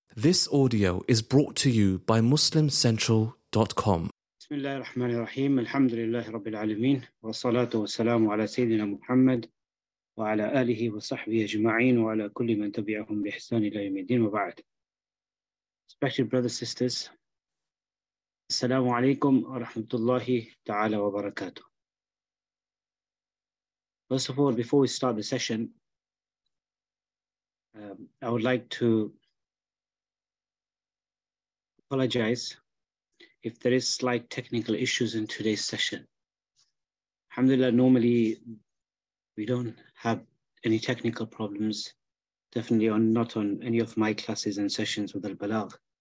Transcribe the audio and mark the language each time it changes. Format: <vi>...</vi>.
<en>This audio is brought to you by MuslimCentral.com.</en> <ar>بسم الله الرحمن الرحيم الحمد لله رب العالمين والصلاة والسلام على سيدنا محمد وعلى آله وصحبه أجمعين وعلى كل من تبعهم بإحسان إلى يوم الدين وبعد.</ar> <en>Respected brothers and sisters,</en> <ar>السلام عليكم ورحمة الله تعالى وبركاته.</ar> <en>First of all, before we start the session, I would like to apologize if there is slight technical issues in today's session. Alhamdulillah, normally we don't have any technical problems, definitely not on any of my classes and sessions with Al-Balagh.</en>